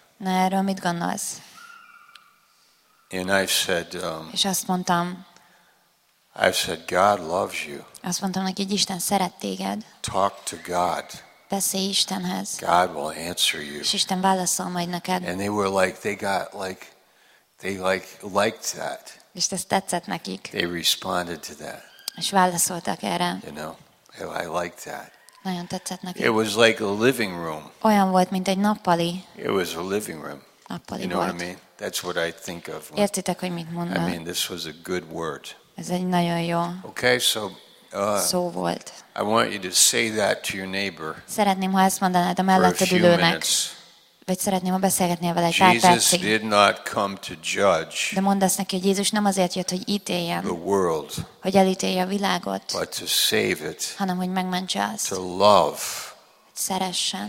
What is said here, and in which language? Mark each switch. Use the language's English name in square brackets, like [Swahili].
[Hungarian] Na, erről mit gondolsz? [English] And I said, [Hungarian] és azt mondtam, [English] I said, God loves you. [Hungarian] Azt mondtam neki, hogy Isten szeret téged. [English] Talk to God. [Hungarian] Beszélj Istenhez. [English] God will answer you. [Hungarian] És Isten válaszol majd neked. [English] And they were like, they got like, they like liked that. [Hungarian] És ez tetszett nekik. [English] They responded to that. [Hungarian] És válaszoltak erre. [English] You know, I like that. [Hungarian] Nagyon tetszett neki. [English] It was like a living room. [Hungarian] Olyan volt, mint egy nappali. [English] It was a living room. [Hungarian] Nappali [English] you know [Hungarian] volt. [English] What I mean? That's what I think of. [Hungarian] Értitek, hogy mit mondom? [English] I mean, this was a good word. [Hungarian] Ez egy nagyon jó. [English] Okay, so [Hungarian] szó volt. [English] I want you to say that to your neighbor. [Hungarian] Szeretném, ha ezt mondanád a melletted ülőnek. Vagy szeretném, ha beszélgetnél vele egy pár percig. [English] Jesus did not come to judge. [Hungarian] De mondd azt neki, hogy Jézus nem azért jött, hogy ítéljen. [English] The world. [Hungarian] Hogy elítélje a világot. [English] But to save it. [Hungarian] Hanem hogy megmentse azt. [English] To love. [Hungarian] Szeressen.